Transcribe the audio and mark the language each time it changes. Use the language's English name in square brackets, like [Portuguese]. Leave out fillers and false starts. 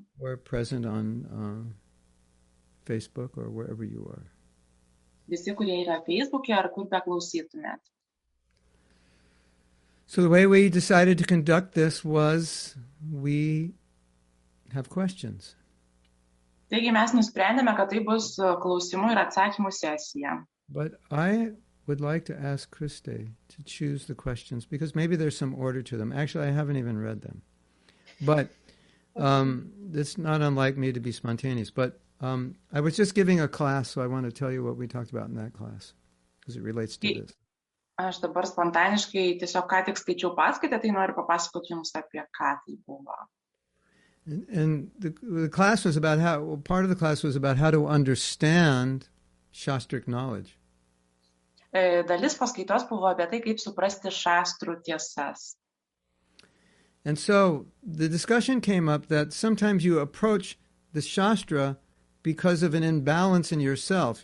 [English] or present on Facebook or wherever you are. [Lithuanian] Visi, kurie yra Facebook'e ar kur beklausytumėt. [English] So the way we decided to conduct this was we have questions. [Lithuanian] Taigi mes nusprendėme, kad tai bus klausimų ir atsakymų sesija. [English] But I would like to ask Kristė to choose the questions because maybe there's some order to them. Actually, I haven't even read them. But it's not unlike me to be spontaneous. But I was just giving a class, so I want to tell you what we talked about in that class because it relates to this. [Lithuanian] Aš dabar spontaniškai tiesiog ką tik skaičiau paskaitę, tai noriu papasakoti jums apie ką tai buvo. [English] And the class was about how, well, part of the class was about how to understand shastric knowledge. [Lithuanian] Dalis paskaitos buvo apie tai, kaip suprasti šastrų tiesas. [English] And so the discussion came up that sometimes you approach the shastra because of an imbalance in yourself.